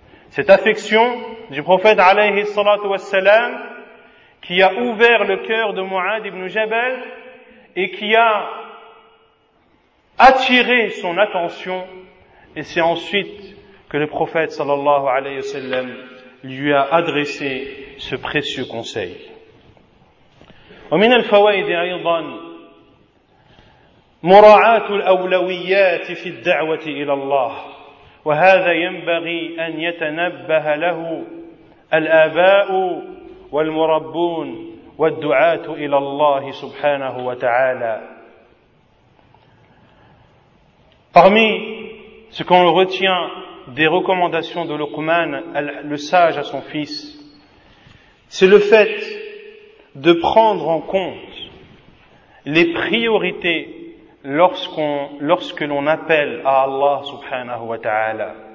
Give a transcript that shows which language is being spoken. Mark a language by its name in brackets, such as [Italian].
[French] Cette affection du prophète alayhi salatu wassalam qui a ouvert le cœur de Mu'ad ibn Jabal et qui a attiré son attention, et c'est ensuite que le prophète sallallahu alayhi wa sallam lui a adressé ce précieux conseil. [Arabic] ومن الفوائد ايضا مراعاة الاولويات في الدعوة الى الله وهذا ينبغي ان يتنبه له الاباء والمربون والدعاة الى الله سبحانه وتعالى. [French] Parmi ce qu'on retient des recommandations de Luqman, le sage à son fils, c'est le fait de prendre en compte les priorités lorsque l'on appelle à Allah subhanahu wa ta'ala.